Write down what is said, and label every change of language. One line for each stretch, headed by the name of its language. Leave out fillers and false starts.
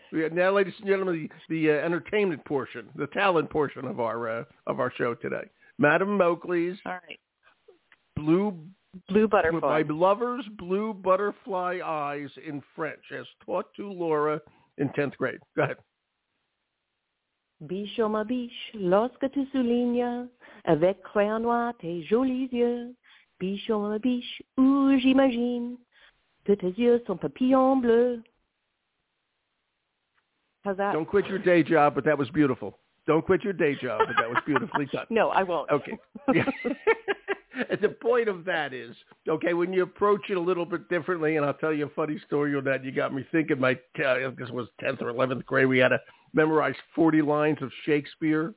English: Now, ladies and gentlemen, the entertainment portion, the talent portion of our show today. Madame Moakley's Blue Butterfly. My lover's blue butterfly eyes in French, as taught to Laura in 10th grade. Go ahead.
French: Biche, oh ma biche, lorsque tu soulignes avec crayon noir tes jolis yeux. Biche, oh ma biche, où j'imagine que tes yeux sont papillons bleus.
English: How's that? Don't quit your day job, but that was beautiful. Don't quit your day job, but that was beautifully done. No, I won't. Okay. Yeah. The point of that is, okay, when you approach it a little bit differently, and I'll tell you a funny story on that, you got me thinking, this was 10th or 11th grade, we had to memorize 40 lines of Shakespeare.